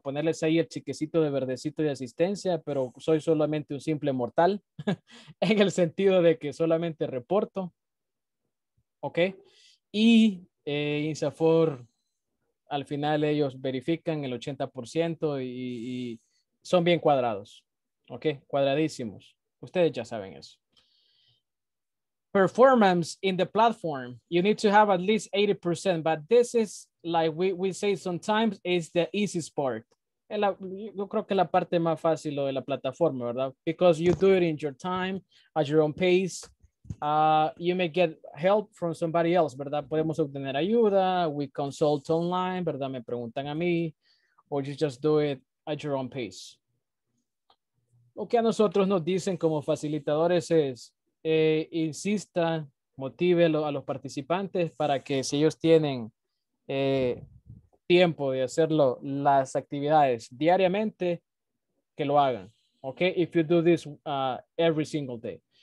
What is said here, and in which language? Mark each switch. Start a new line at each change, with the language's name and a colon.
Spanish: Ponerles ahí el chiquecito de verdecito de asistencia, pero soy solamente un simple mortal en el sentido de que solamente reporto. ¿Ok? Y INSAFOR, al final ellos verifican el 80% y son bien cuadrados. ¿Ok? Cuadradísimos. Ustedes ya saben eso.
English: Performance in the platform, you need to have at least 80%, but this is like we say sometimes is the easiest part.
Spanish: Yo creo que la parte más fácil lo de la plataforma, ¿verdad?
English: Because you do it in your time, at your own pace. You may get help from somebody else,
Spanish: ¿verdad? Podemos obtener ayuda,
English: we consult online, ¿verdad?
Spanish: Me preguntan a mí,
English: or you just do it at your own pace.
Spanish: Lo que a nosotros nos dicen como facilitadores es, insista, motive a los participantes para que si ellos tienen tiempo de hacerlo las actividades diariamente, que lo hagan.
English: Okay, if you do this every single day.